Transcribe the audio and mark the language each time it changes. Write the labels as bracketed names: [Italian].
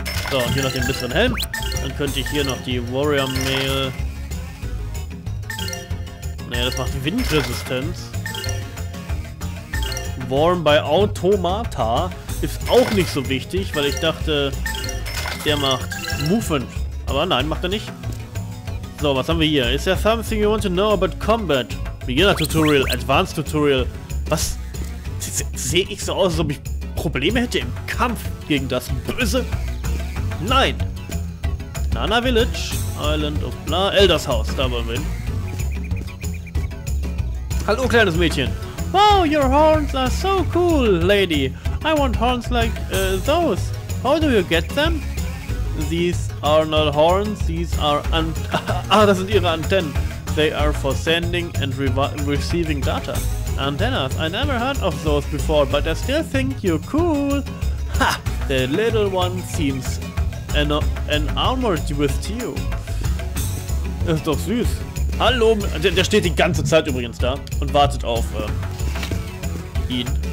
[German] So, und hier noch den besseren Helm. Dann könnte ich hier noch die Warrior Mail. Naja, das macht Windresistenz. Warm by Automata ist auch nicht so wichtig, weil ich dachte, der macht Movement. Aber nein, macht er nicht. So, was haben wir hier? [English] Is there something you want to know about combat? Beginner Tutorial, Advanced Tutorial. Was? [German] Sehe ich so aus, als ob ich Probleme hätte im Kampf gegen das Böse? Nein! Nana Village, Island of Bla, Elders House, da wollen wir hin. Hallo, kleines Mädchen. [English] Wow, your horns are so cool, lady. I want horns like those. How do you get them? These are not horns. These are [German] das sind ihre Antennen. [English] They are for sending and receiving data. Antennas. I never heard of those before, but I still think you're cool. Ha! The little one seems an armored with you. [German] Das ist doch süß. Hallo, der steht die ganze Zeit übrigens da und wartet auf ihn.